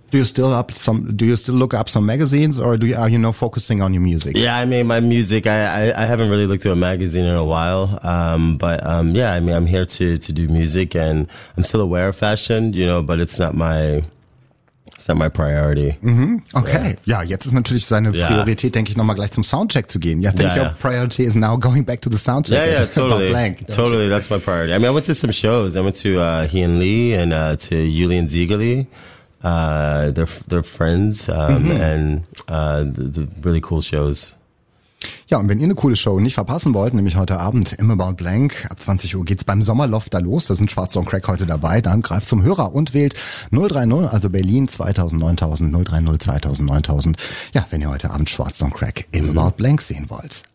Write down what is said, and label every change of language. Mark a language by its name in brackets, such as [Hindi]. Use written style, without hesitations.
[English] Do you still look up some magazines or are you focusing on your music? Yeah, I mean, my music, I haven't really looked through a magazine in a while. I'm here to do music and I'm still aware of fashion, but it's not my, that my priority. Mm-hmm. Okay. Yeah. [German] Ja, jetzt ist natürlich seine Priorität, denke ich, nochmal gleich zum Soundcheck zu gehen. [English] Yeah, I think your priority is now going back to the soundcheck. Totally. That's my priority. I mean, I went to some shows. I went to Hien Lee and to Julian Ziegeli. They're friends and the really cool shows. [German] Ja, und wenn ihr eine coole Show nicht verpassen wollt, nämlich heute Abend im About Blank, ab 20 Uhr geht's beim Sommerloft da los, da sind Schwarz und Crack heute dabei, dann greift zum Hörer und wählt 030, also Berlin 2000, 9000, 030, 2000, 9000, ja, wenn ihr heute Abend Schwarz und Crack im About Blank sehen wollt.